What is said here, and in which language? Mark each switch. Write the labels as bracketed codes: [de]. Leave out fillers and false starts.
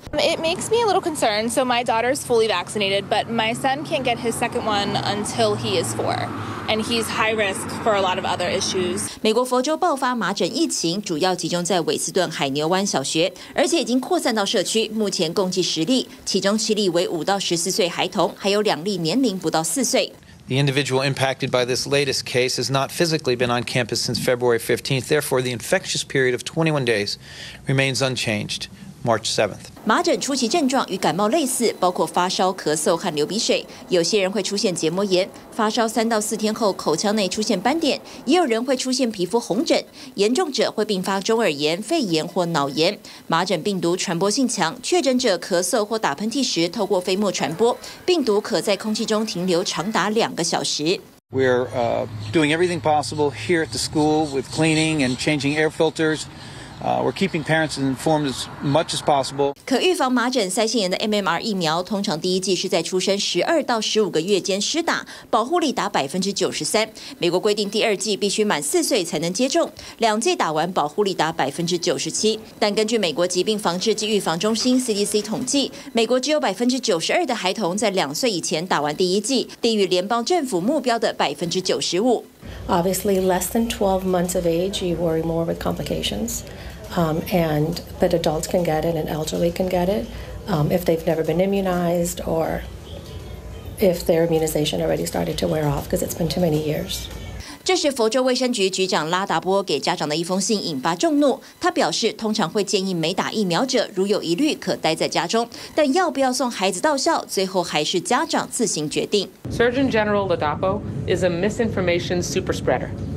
[en] It makes me a little concerned. So my daughter's fully vaccinated, but my son can't get his second one until he is 4, and he's high risk for a lot of other issues. [zh] 美国佛州爆发麻疹疫情，主要集中在韦斯顿海牛湾小学，而且已经扩散到社区，目前共计10例，其中7例为5到14岁孩童，还有2例年龄不到4岁。 [en] The individual impacted by this latest case has not physically been on campus since February 15th. Therefore, the infectious period of 21 days remains unchanged. March 7th. [zh] 麻疹初期症状与感冒类似，包括发烧、咳嗽和流鼻水。有些人会出现结膜炎，发烧3到4天后，口腔内出现斑点；也有人会出现皮肤红疹，严重者会并发中耳炎、肺炎或脑炎。麻疹病毒传播性强，确诊者咳嗽或打喷嚏时透过飞沫传播，病毒可在空气中停留长达2个小时。 [en] We're doing everything possible here at the school with cleaning and changing air filters. We're keeping parents informed as much as possible. [zh] 可预防麻疹腮腺炎的 MMR 疫苗，通常第一剂是在出生12到15个月间施打，保护力达93%。美国规定第二剂必须满4岁才能接种，2剂打完保护力达97%。但根据美国疾病防治及预防中心 CDC 统计，美国只有92%的孩童在2岁以前打完第一剂，低于联邦政府目标的95%。 [en] Obviously, less than 12 months of age, you worry more with complications. But adults can get it and elderly can get it if they've never been immunized or if their immunization already started to wear off because it's been too many years. [zh] 这是佛州卫生局局长拉达波给家长的一封信引发众怒。他表示，通常会建议没打疫苗者如有疑虑可待在家中，但要不要送孩子到校，最后还是家长自行决定。 [en] Surgeon General Ladapo is a misinformation super spreader.